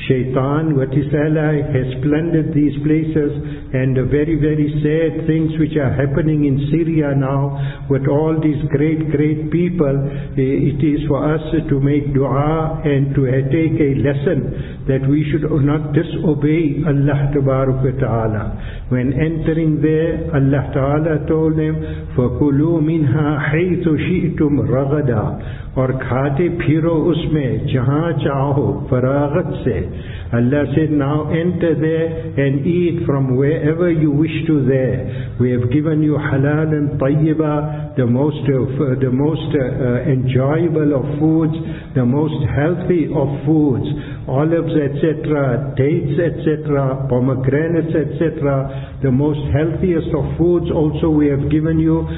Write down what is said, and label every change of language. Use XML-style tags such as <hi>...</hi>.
<en>Shaitan, what is ally, has plundered these places, and the very, very sad things which are happening in Syria now, with all these great, great people, it is for us to make dua and to take a lesson that we should not disobey Allah Ta'ala. When entering there, Allah Ta'ala told them,</en> <ar>فَكُلُوا مِنْهَا حَيْثُ شِئْتُمْ رَغَدًا,</ar> <ur>اور کھاتے پھیرو اس میں جہاں چاہو فراغت سے.</ur> <en>Allah said, now enter there and eat from wherever you wish to there. We have given you halal and tayyiba, the most enjoyable of foods, the most healthy of foods, olives, etc., dates, etc., pomegranates, etc., the most healthiest of foods also we have given you.</en>